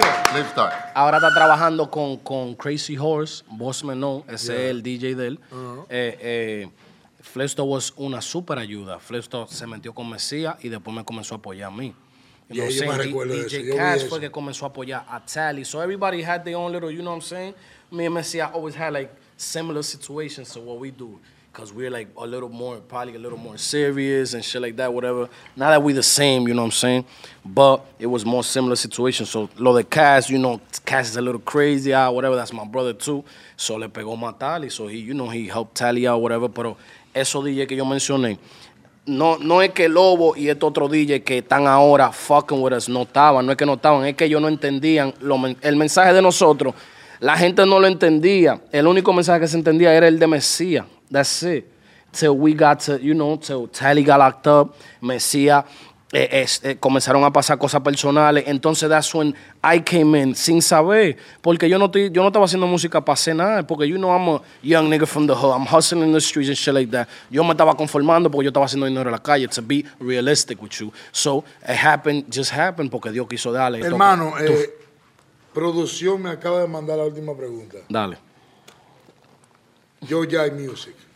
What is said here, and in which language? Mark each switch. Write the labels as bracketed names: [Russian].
[Spanish] Flipstar. Ahora está trabajando con Crazy Horse. Boss Man Know. Ese es el DJ de él. Uh-huh. Flipstar was una super ayuda. Flipstar se metió con Mesías y después me comenzó a apoyar a mí. [English] You know, yeah, saying, [Spanish] DJ Cash fue que comenzó a apoyar a Tally. [English] So everybody had their own little, you know what I'm saying? Me and Mesías always had like similar situations to what we do, because we're like a little more, probably a little more serious and shit like that, whatever. Not that we the same, you know what I'm saying? But it was more similar situation. So, [Spanish] lo de Cass, [English] you know, Cass is a little crazy, whatever, that's my brother too. So, [Spanish] le pegó más Tally, [English] so he, you know, he helped Tally out, whatever. [Spanish] Pero eso DJ que yo mencioné, no es que Lobo y este otro DJ que están ahora [English] fucking with us [Spanish] notaban, no es que notaban, es que ellos no entendían el mensaje de nosotros. La gente no lo entendía. El único mensaje que se entendía era el de Mesías. [English] That's it. Till we got to, you know, till Tally got locked up. Mesías, [Spanish] comenzaron a pasar cosas personales. [English] Entonces, that's when I came in, [Spanish] sin saber. Porque yo no estaba haciendo música para hacer nada. [English] Porque, you know, I'm a young nigga from the hood. I'm hustling in the streets and shit like that. [Spanish] Yo me estaba conformando porque yo estaba haciendo dinero en la calle. [English] To be realistic with you. So, it happened, just happened, [Spanish] porque Dios quiso darle. Hermano, producción me acaba de mandar la última pregunta. Dale. Yo Jai Music.